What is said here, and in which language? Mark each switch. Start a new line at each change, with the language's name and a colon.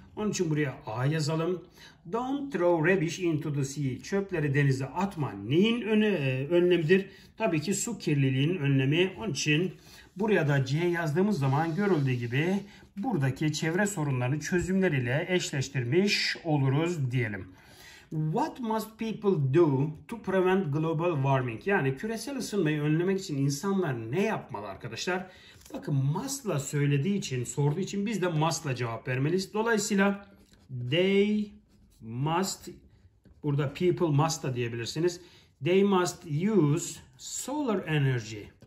Turkish: Onun için buraya A yazalım.
English: Don't throw rubbish into the sea.
Turkish: Çöpleri denize atma. Neyin önlemidir? Tabii ki su kirliliğinin önlemi. Onun için buraya da C yazdığımız zaman görüldüğü gibi buradaki çevre sorunlarını çözümleriyle eşleştirmiş oluruz diyelim.
English: What must people do to prevent global warming?
Turkish: Yani küresel ısınmayı önlemek için insanlar ne yapmalı arkadaşlar? Bakın must'la söylediği için, sorduğu için biz de must'la cevap vermeliyiz. Dolayısıyla
English: they must,
Turkish: burada people must'la diyebilirsiniz.
English: They must use solar energy.